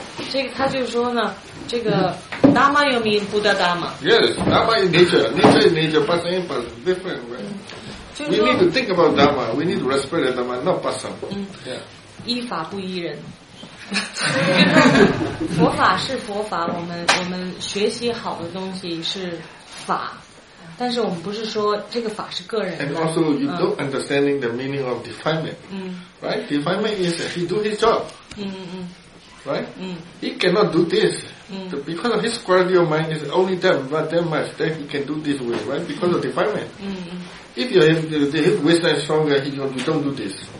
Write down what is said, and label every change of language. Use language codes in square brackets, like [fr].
[zh] 这个他就说呢，这个 [en] Dhamma you mean Buddha Dhamma? Yes, Dhamma is nature is nature, passing and passing, different way. We need to think about Dhamma, we need to respect the Dhamma, not passing. [zh] 依法不依人。佛法是佛法，我们学习好的东西是法，但是我们不是说这个法是个人的。 [en] And also you don't understanding the meaning of defilement. Right? Defilement is that he do his job. 嗯嗯。 Right? He cannot do this. Because of his quality of mind is only that, not that much, that he can do this way, right? Because of defilement. If his wisdom is stronger, he don't do this.